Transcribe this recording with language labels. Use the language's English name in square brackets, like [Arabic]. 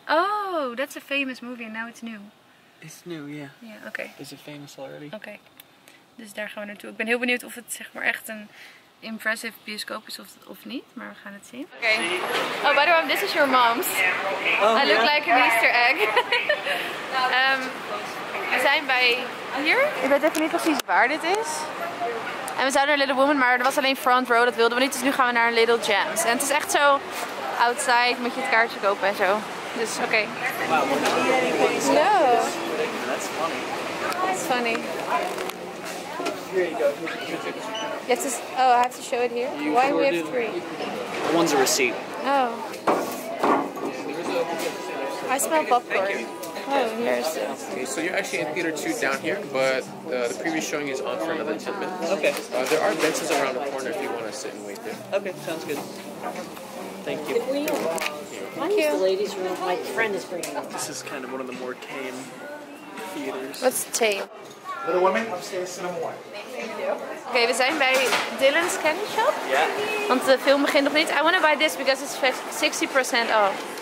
[English] Oh, that's a famous movie and now it's new. It's new, yeah. Yeah, okay. Is it famous already? Okay. [Dutch] Dus daar gaan we naartoe. Ik ben heel benieuwd of het zeg maar echt een impressive bioscoop is of niet, maar we gaan het zien. Oké. [English] Okay. Oh, by the way, this is your mom's. Oh, I look yeah. like an Easter egg. [Dutch] We zijn bij hier. Ik weet even niet precies waar dit is. En we zouden naar Little Women, maar er was alleen front row, dat wilden we niet. Dus nu gaan we naar Little Gems. En het is echt zo outside, moet je het kaartje kopen en zo. Dus oké. [English] Okay. Hello. That's funny. Here you go. Here you go. Yes, oh, I have to show it here. You Why do we have three? One's a receipt. Oh. I smell okay, popcorn. Thank you. Oh, here's okay, so you're actually in theater 2 down here, but the previous showing is on for another 10 minutes. Okay. There are benches around the corner if you want to sit and wait there. Okay, sounds good. Thank you. Thank you. The ladies room. My friend is bringing up. This is kind of one of the more tame theaters. What's tame? Little Women, upstairs cinema 1. [Dutch] Okay, we zijn bij Dylan's Candy Shop. [English] Yeah. [Dutch] Want de film begint nog niet. [English] I want to buy this because it's 60% off.